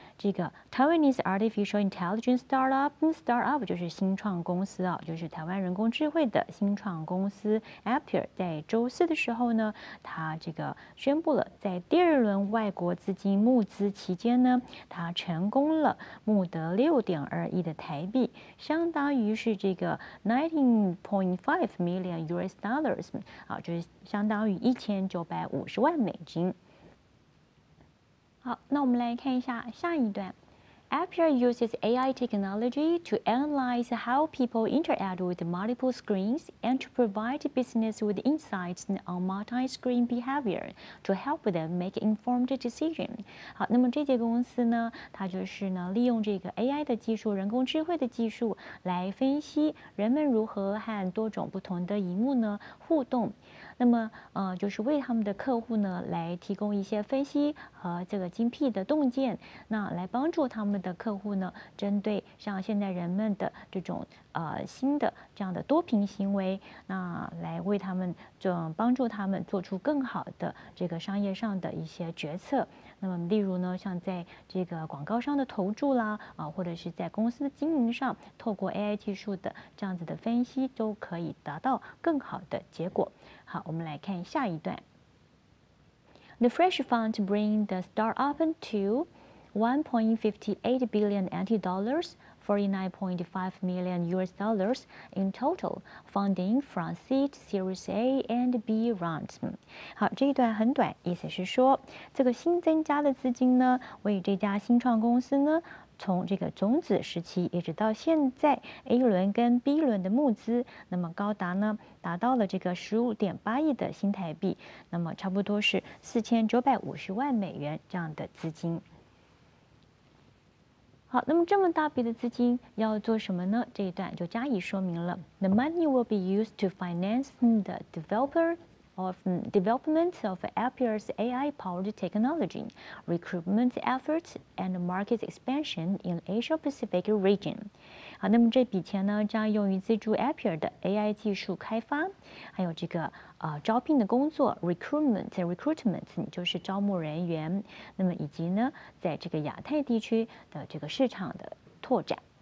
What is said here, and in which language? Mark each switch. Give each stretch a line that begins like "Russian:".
Chinese: 这个
English: Taiwanese artificial intelligence startup
Chinese: 就是新创公司啊，就是台湾人工智慧的新创公司 Appier 在周四的时候呢，他这个宣布了在第二轮外国资金募资期间呢，他成功了募得6.2亿的台币，相当于是这个$19.5 million 啊，就是相当于1950万美金。好，那我们来看一下下一段。
English: Appier uses AI technology to analyze how people interact with multiple screens and to provide business with insights on multi-screen behavior to help them make informed decisions.
Chinese: 好，那么这家公司呢，它就是呢利用这个 AI 的技术，人工智慧的技术来分析人们如何和多种不同的荧幕呢互动。那么就是为他们的客户呢来提供一些分析和这个精辟的洞见，那来帮助他们的客户呢针对像现在人们的这种新的这样的多屏行为，那来为他们就帮助他们做出更好的这个商业上的一些决策。那么例如呢，像在这个广告商的投注啦或者是在公司的经营上，透过 AI 技术的这样子的分析都可以达到更好的结果。好，我们来看下一段。
English: The fresh fund bring the startup to $1.58 billion $49.5 million in total funding from seed Series A and B rounds.
Chinese: 好，这一段很短，意思是说，这个新增加的资金呢，为这家新创公司呢，从这个种子时期一直到现在 A 轮跟 B 轮的募资，那么高达呢，达到了这个15.8亿的新台币，那么差不多是4950万美元这样的资金。好，那么这么大笔的资金要做什么呢？这一段就加以说明了。
English: The money will be used to finance the development of Appier's AI-powered technology, recruitment efforts, and market expansion in Asia-Pacific region.
Chinese: 好，那么这笔钱呢，将用于资助 Appier 的 AI 技术开发，还有这个招聘的工作 recruitment 就是招募人员，那么以及呢，在这个亚太地区的这个市场的拓展。